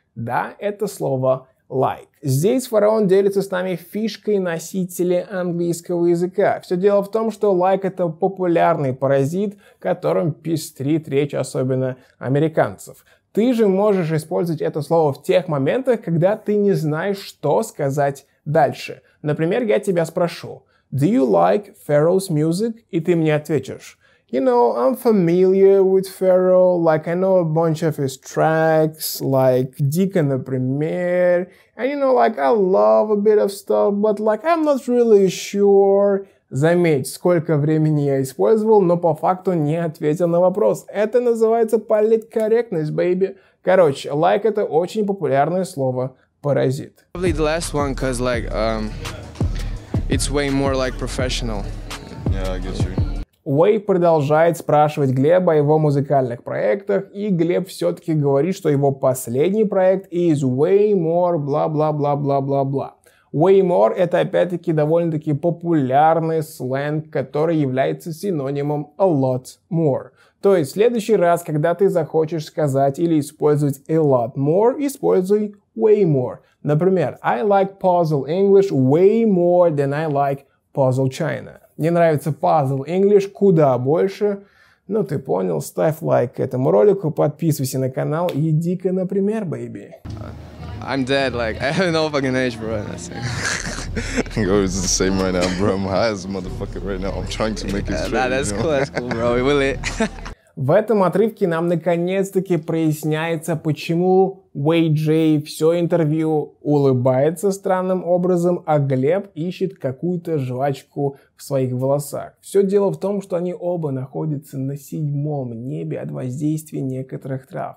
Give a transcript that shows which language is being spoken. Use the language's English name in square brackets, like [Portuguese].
[Russian] Да, это слово like. Здесь Фараон делится с нами фишкой носителя английского языка. Все дело в том, что like это популярный паразит, которым пестрит речь особенно американцев. Ты же можешь использовать это слово в тех моментах, когда ты не знаешь, что сказать дальше. Например, я тебя спрошу: [English] Do you like Pharaoh's music? И ты мне ответишь: You know, I'm familiar with Pharaoh, like I know a bunch of his tracks, like [Russian] Дико, например, [English] and you know, like I love a bit of stuff, but like I'm not really sure. [Russian] Заметь, сколько времени я использовал, но по факту не ответил на вопрос. Это называется политкорректность, baby. Короче, like это очень популярное слово паразит. [English] Probably the last one, cause like it's way more like professional. Yeah, I guess you're. [Russian] Way продолжает спрашивать Глеба о его музыкальных проектах, и Глеб все-таки говорит, что его последний проект [English] is way more [Russian] бла-бла-бла-бла-бла-бла. [English] Way more [Russian] – это опять-таки довольно-таки популярный сленг, который является синонимом [English] a lot more. [Russian] То есть в следующий раз, когда ты захочешь сказать или использовать [English] a lot more, [Russian] используй [English] way more. [Russian] Например, [English] I like puzzle English way more than I like puzzle China. [Russian] Мне нравится Puzzle English куда больше. Ну, ты понял. Ставь лайк этому ролику, подписывайся на канал и иди-ка, например, baby. [English] I'm dead, like, I have no fucking age, bro. It's the same right now, bro. I'm high as a motherfucker right now. I'm trying to make it straight. Nah, that's cool, that's cool, bro. We will it. [Russian] В этом отрывке нам наконец-таки проясняется, почему Wei Jay все интервью улыбается странным образом, а Глеб ищет какую-то жвачку в своих волосах. Все дело в том, что они оба находятся на седьмом небе от воздействия некоторых трав.